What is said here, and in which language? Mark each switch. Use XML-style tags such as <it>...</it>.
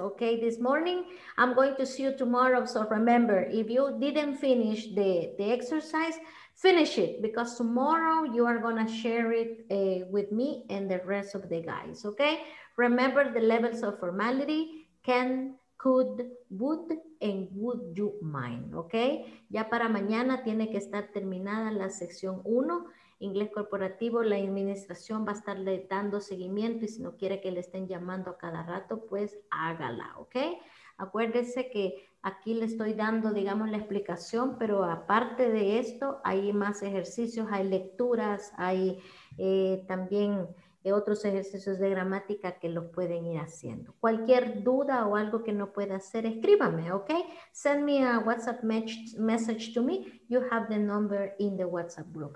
<en>Okay, this morning. I'm going to see you tomorrow. So remember, if you didn't finish the exercise, finish it, because tomorrow you are going to share it with me and the rest of the guys. Okay, remember the levels of formality: can, could, would, and would you mind, ¿ok?</en> <es>Ya para mañana tiene que estar terminada la sección 1, inglés corporativo, la administración va a estarle dando seguimiento y si no quiere que le estén llamando a cada rato, pues hágala, ¿ok? Acuérdese que aquí le estoy dando, digamos, la explicación, pero aparte de esto, hay más ejercicios, hay lecturas, hay también otros ejercicios de gramática que los pueden ir haciendo. Cualquier duda o algo que no pueda hacer, escríbame, ¿ok?</es> <en>Send me a WhatsApp message to me. You have the number in the WhatsApp group.</en>